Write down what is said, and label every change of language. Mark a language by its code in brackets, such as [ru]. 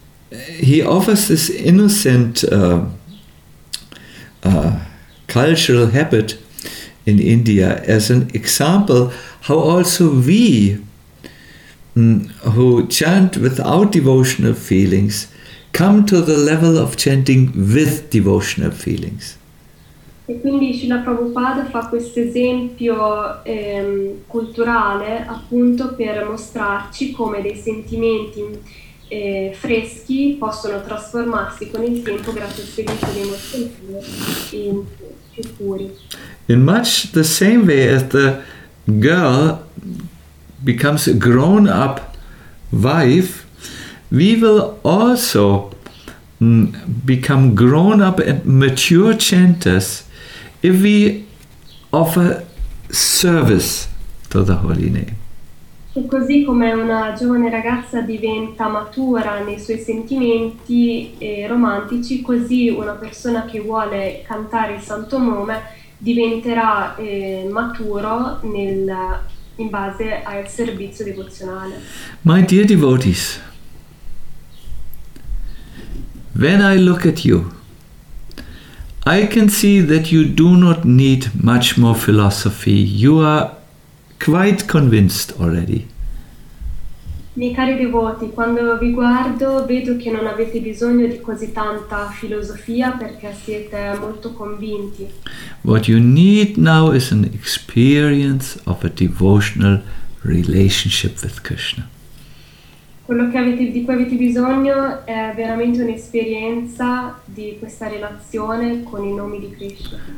[en] He offers this innocent cultural habit in India as an example how also we who chant without devotional feelings come to the level of chanting with devotional feelings. [it] E quindi Srila Prabhupada fa questo esempio culturale appunto per mostrarci come dei sentimenti freschi possono trasformarsi con il tempo grazie al servizio di emozioni in più puri. [en] In much the same way as the girl becomes a grown-up wife, we will also become grown-up and mature chanters if we offer service to the Holy Name. [it] E così come una giovane ragazza diventa matura nei suoi sentimenti romantici, così una persona che vuole cantare il Santo Nome diventerà maturo in base al servizio devozionale. [en] My dear devotees, when I look at you, I can see that you do not need much more philosophy. You are quite convinced already. [it] Miei cari devoti, quando vi guardo vedo che non avete bisogno di così tanta filosofia perché siete molto convinti. [en] What you need now is an experience of a devotional relationship with Krishna. [it] Quello di cui avete bisogno è veramente un'esperienza di questa relazione con i nomi di Krishna.